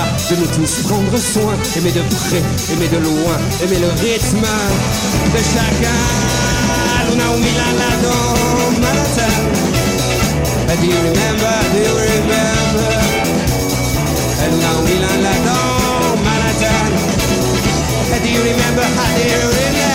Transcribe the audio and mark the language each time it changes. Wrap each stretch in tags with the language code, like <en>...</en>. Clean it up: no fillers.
<fr>de nous tous prendre soin, aimer de près, aimer de loin, aimer le rythme de chacun. Luna ou Milan là dans Manhattan.</fr> <en>And do you remember, do you remember?</en> <fr>Luna ou Milan là dans Manhattan.</fr> <en>And do you remember, how do you remember?</en>